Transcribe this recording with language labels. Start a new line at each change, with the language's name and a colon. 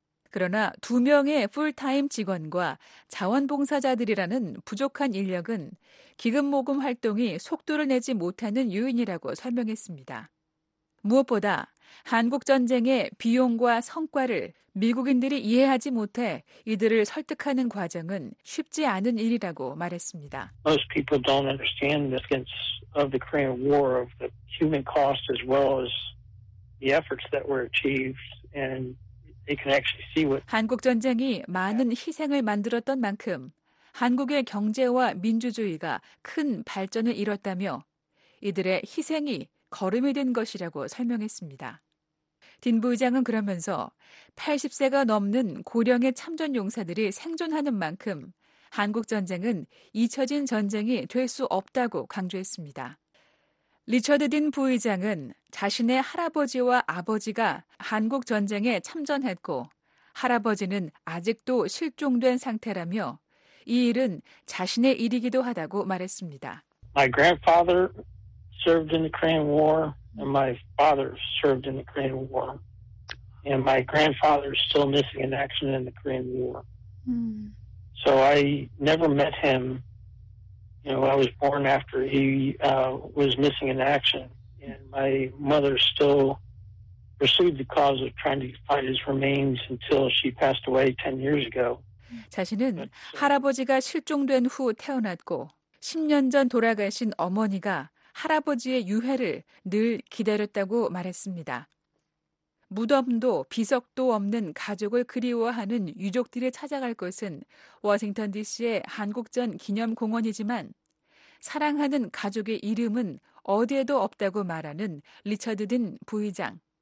Korean: 그러나 두 명의 풀타임 직원과 자원봉사자들이라는 부족한 인력은 기금 모금 활동이 속도를 내지 못하는 요인이라고 설명했습니다. 무엇보다 한국전쟁의 비용과 성과를 미국인들이 이해하지 못해 이들을 설득하는 과정은 쉽지 않은 일이라고 말했습니다.
English: Most people don't understand the significance of the Korean War, of the human cost as well as the efforts that were achieved, and they can actually see what
Korean: 한국전쟁이 많은 희생을 만들었던 만큼 한국의 경제와 민주주의가 큰 발전을 이뤘다며 이들의 희생이 걸음이 된 것이라고 설명했습니다. 딘 부의장은 그러면서 80세가 넘는 고령의 참전용사들이 생존하는 만큼 한국전쟁은 잊혀진 전쟁이 될 수 없다고 강조했습니다. 리처드 딘 부의장은 자신의 할아버지와 아버지가 한국전쟁에 참전했고 할아버지는 아직도 실종된 상태라며 이 일은 자신의 일이기도 하다고 말했습니다.
English: My grandfather served in the Korean War, and my father served in the Korean War, and my grandfather is still missing in action in the Korean War. So I never met him. You know, I was born after he was missing in action, and my mother still pursued the cause of trying to find his remains until she passed away 10 years ago.
Korean: 자신은 할아버지가 실종된 후 태어났고 10년 전 돌아가신 어머니가 할아버지의 유해를 늘 기다렸다고 말했습니다. 무덤도 비석도 없는 가족을 그리워하는 유족들이 찾아갈 곳은 워싱턴 DC의 한국전 기념공원이지만 사랑하는 가족의 이름은 어디에도 없다고 말하는 리처드 딘 부의장.